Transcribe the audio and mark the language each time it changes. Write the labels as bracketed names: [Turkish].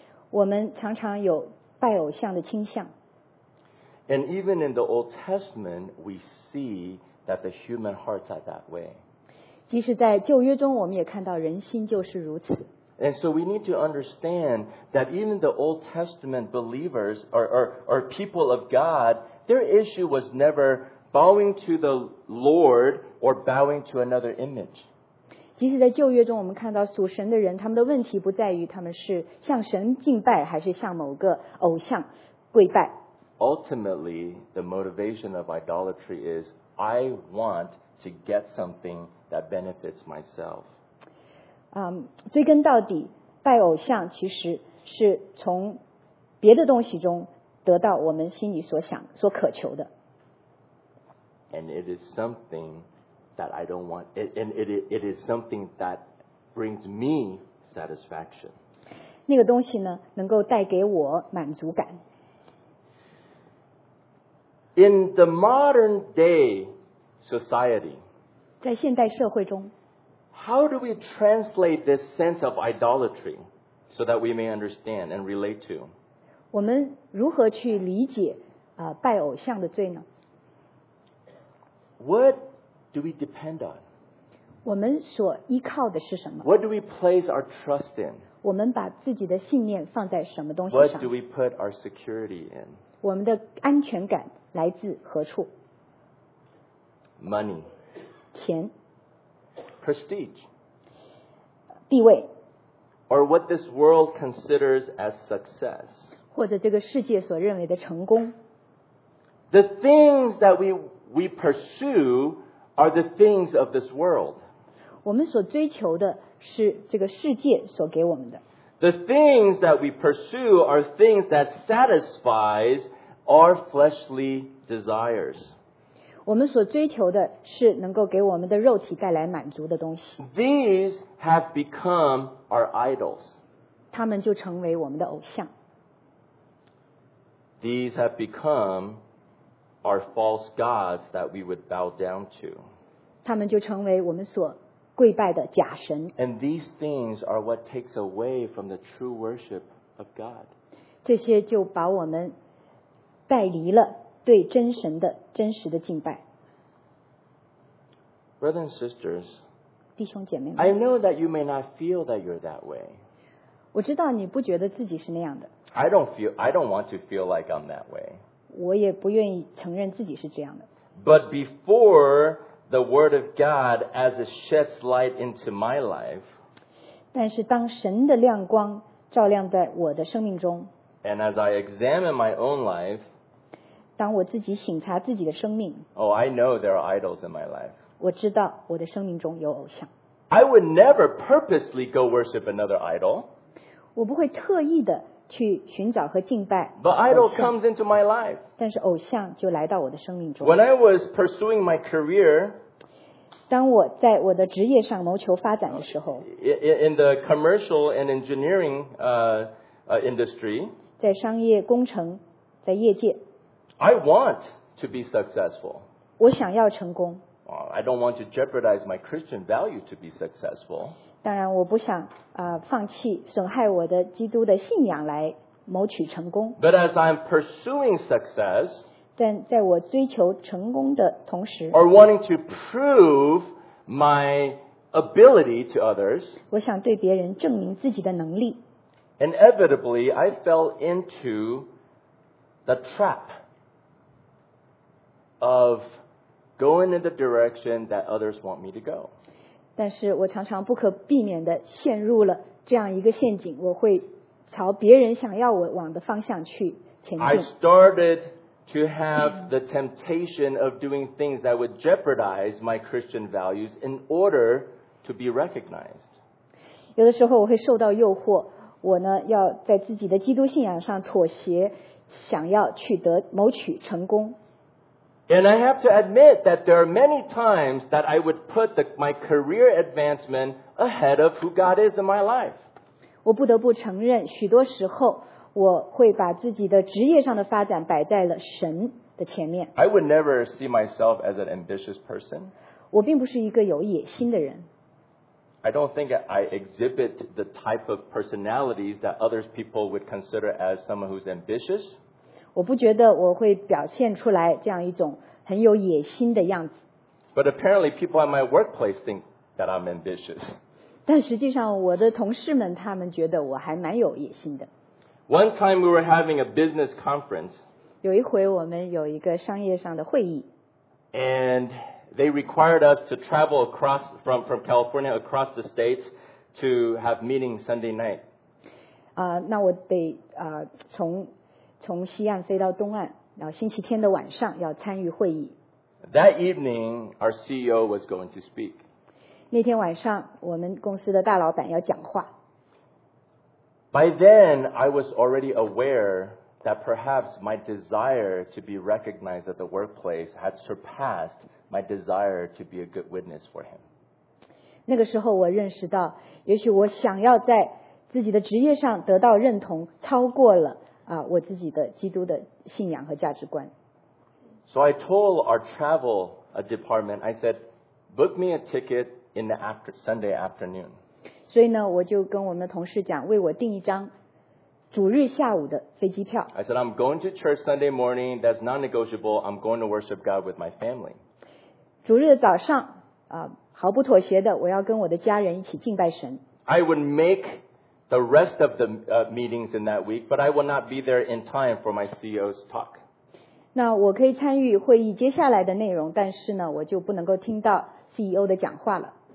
[Chinese] 我们常常有拜偶像的倾向。 [English] And even in the Old Testament, we see that the human hearts are that way. [Chinese] 即使在旧约中，我们也看到人心就是如此。 [English] And so we need to understand that even the Old Testament believers or people of God, their issue was never bowing to the Lord or bowing to another image. [Chinese] 即使在旧约中我们看到属神的人他们的问题不在于他们是向神敬拜还是向某个偶像跪拜 [English] Ultimately, the motivation of idolatry is I want to get something that benefits myself [Chinese] 追根到底拜偶像其实是从别的东西中得到我们心里所想所渴求的。 [English] And it is something that I don't want. It is something that brings me satisfaction. [Chinese] 那个东西呢，能够带给我满足感。 [English] In the modern day society, [Chinese] 在现代社会中 [English] how do we translate this sense of idolatry so that we may understand and relate to? [Chinese] 我们如何去理解拜偶像的罪呢？ [English] What do we depend on? [Chinese] 我们所依靠的是什么？ [English] What do we place our trust in? [Chinese] 我们把自己的信念放在什么东西上？ [English] What do we put our security in? [Chinese] 我们的安全感来自何处？ [English] Money. [Chinese] 钱。 [English] Prestige. [Chinese] 地位。 [English] Or what this world considers as success. [Chinese] 或者这个世界所认为的成功。 [English] The things that we pursue are the things of this world. [Chinese] 我们所追求的是这个世界所给我们的。 [English] The things that we pursue are things that satisfies our fleshly desires. [Chinese] 我们所追求的是能够给我们的肉体带来满足的东西。 [English] These have become our idols. [Chinese] 他们就成为我们的偶像。 [English] These have become are false gods that we would bow down to. [Chinese] 他们就成为我们所跪拜的假神。 [English] And these things are what takes away from the true worship of God. [Chinese] 这些就把我们带离了对真神的真实的敬拜。 [English] Brothers and sisters, [Chinese] 弟兄姐妹们， [English] I know that you may not feel that you're that way. [Chinese] 我知道你不觉得自己是那样的。 [English] I don't want to feel like I'm that way. [Chinese] 我也不愿意承认自己是这样的。 [English] But before the word of God as it sheds light into my life, [Chinese] 但是当神的亮光照亮在我的生命中， [English] and as I examine my own life, [Chinese] 当我自己省察自己的生命， [English] oh, I know there are idols in my life. [Chinese] 我知道我的生命中有偶像。 [English] I would never purposely go worship another idol. [Chinese] 我不会特意的去寻找和敬拜。 [English] But idol comes into my life. [Chinese] 但是偶像就来到我的生命中。 [English] When I was pursuing my career, [Chinese] 当我在我的职业上谋求发展的时候， [English] in the commercial and engineering industry, [Chinese] 在商业工程，在业界， [English] I want to be successful. [Chinese] 我想要成功。 [English] I don't want to jeopardize my Christian value to be successful. [Chinese] 当然我不想放弃损害我的基督的信仰来谋取成功。 [English] But as I'm pursuing success, [Chinese] 但在我追求成功的同时， [English] or wanting to prove my ability to others, [Chinese] 我想对别人证明自己的能力， [English] inevitably I fell into the trap of going in the direction that others want me to go. [Chinese] 但是我常常不可避免地陷入了这样一个陷阱，我会朝别人想要我往的方向去前进。 [English] I started to have the temptation of doing things that would jeopardize my Christian values in order to be recognized. [Chinese] 有的时候我会受到诱惑，我呢要在自己的基督信仰上妥协，想要取得谋取成功。 [English] And I have to admit that there are many times that I would put my career advancement ahead of who God is in my life. [Chinese] 我不得不承认，许多时候我会把自己的职业上的发展摆在了神的前面。 [English] I would never see myself as an ambitious person. [Chinese] 我并不是一个有野心的人。 [English] I don't think I exhibit the type of personalities that other people would consider as someone who's ambitious. [Chinese] 我不觉得我会表现出来这样一种很有野心的样子。 [English] But apparently people at my workplace think that I'm ambitious. [Chinese] 但实际上我的同事们他们觉得我还蛮有野心的。 [English] One time we were having a business conference. [Chinese] 有一回我们有一个商业上的会议。 [English] And they required us to travel across from California across the states to have meeting Sunday night. [Chinese] 那我得从西岸飞到东岸，然后星期天的晚上要参与会议。 [English] That evening, our CEO was going to speak. [Chinese] 那天晚上，我们公司的大老板要讲话。 [English] By then, I was already aware that perhaps my desire to be recognized at the workplace had surpassed my desire to be a good witness for him. [Chinese] 那个时候我认识到，也许我想要在自己的职业上得到认同，超过了啊我自己的基督的信仰和价值观。 [English] So I told our travel department, I said, book me a ticket in the Sunday afternoon. [Chinese] 所以呢，我就跟我们的同事讲，为我订一张主日下午的飞机票。 [English] I said, I'm going to church Sunday morning, that's non-negotiable, I'm going to worship God with my family. [Chinese] 主日早上啊，毫不妥协的，我要跟我的家人一起敬拜神。 [English] I would make the rest of the meetings in that week, but I will not be there in time for my CEO's talk. [Chinese] 那我可以参与会议接下来的内容，但是呢，我就不能够听到 CEO 的讲话了。